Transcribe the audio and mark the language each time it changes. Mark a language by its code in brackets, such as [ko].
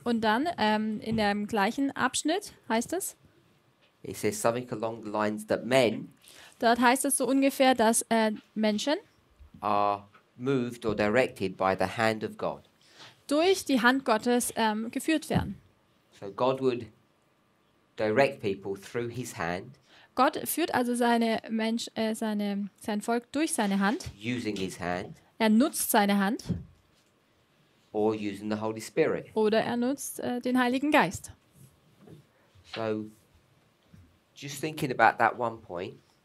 [de] Und dann in dem gleichen Abschnitt heißt es. [en] It says something along the lines that men. [de] Dort heißt es so ungefähr, dass Menschen [en] are moved or directed by the hand of God. [de] Durch die Hand Gottes geführt werden. [en] So God would direct people through his hand. [de] Gott führt also sein Volk durch seine Hand. [en] Using his hand. [de] Er nutzt seine Hand. [en] Or using the Holy Spirit. [de] Oder er nutzt den Heiligen Geist. [en] So, just thinking about that one point.